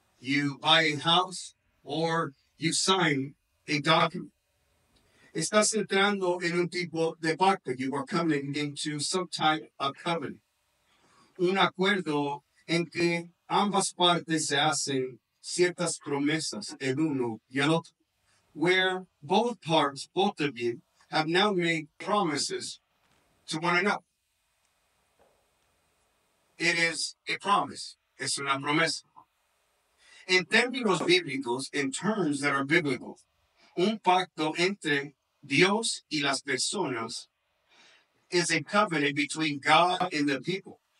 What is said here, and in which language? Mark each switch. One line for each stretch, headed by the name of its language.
English: You buy a house or you sign a document.
Spanish: Estás entrando en un tipo de pacto.
English: You are coming into some type of covenant.
Spanish: Un acuerdo en que ambas partes se hacen ciertas promesas, el uno y el otro.
English: Where both parts, both of you, have now made promises to one another. It is a promise.
Spanish: Es una promesa. En términos bíblicos,
English: in terms that are biblical,
Spanish: un pacto entre Dios y las personas
English: is a covenant between God and the people.